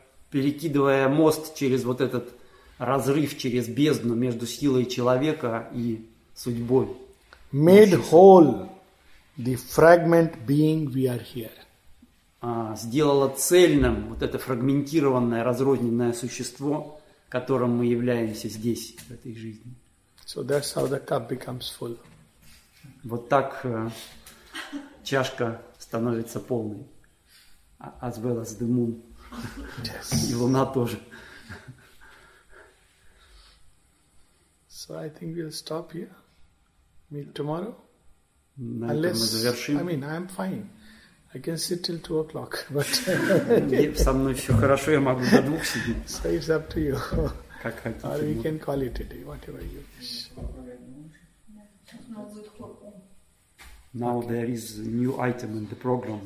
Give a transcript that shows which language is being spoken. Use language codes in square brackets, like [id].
[ru] Перекидывая мост через вот этот разрыв, через бездну между силой человека и судьбой. [en] Made whole the fragment being we are here. [ru] Сделала цельным вот это фрагментированное, разрозненное существо, которым мы являемся здесь, в этой жизни. [en] So that's how the cup becomes full. [ru] Вот так чашка становится полной. [en] As well as the moon. Yes. [ru] И луна тоже. [en] So I think we'll stop here. Meet tomorrow. [ru] На этом мы завершим. [en] I mean, I'm fine. I can sit till 2:00. But [ru] со мной все хорошо, я могу до 2 сидеть. [en] So it's up to you. [ru] Как хотите. [en] Or we can call it a day, whatever you wish. Now there is a new item in the program.